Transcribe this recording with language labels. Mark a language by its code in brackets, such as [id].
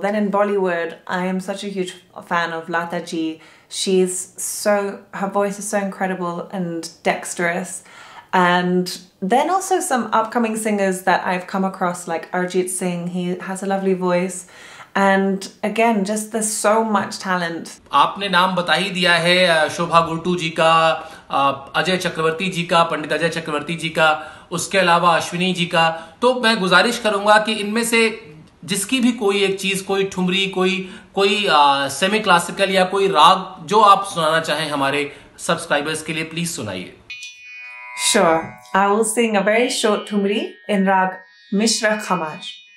[en] Then in Bollywood, I am such a huge fan of Lata Ji. She's so, her voice is so incredible and dexterous. And then also some upcoming singers that I've come across, like Arjit Singh, he has a lovely voice. And again, just there's so much talent. [hi] आपने नाम बता ही दिया है, शोभा गुल्टू जी का, अजय चक्रवर्ती जी का, पंडित अजय चक्रवर्ती जी का, उसके अलावा अश्विनी जी का, तो मैं गुजारिश करूंगा कि इनमें से जिसकी भी कोई एक चीज, कोई ठुमरी, कोई सेमी क्लासिकल या कोई राग जो आप सुनाना चाहें हमारे सब्सक्राइबर्स के लिए, प्लीज सुनाइए। [en] Sure, I will sing a very short thumri in raag Mishra Khamaj.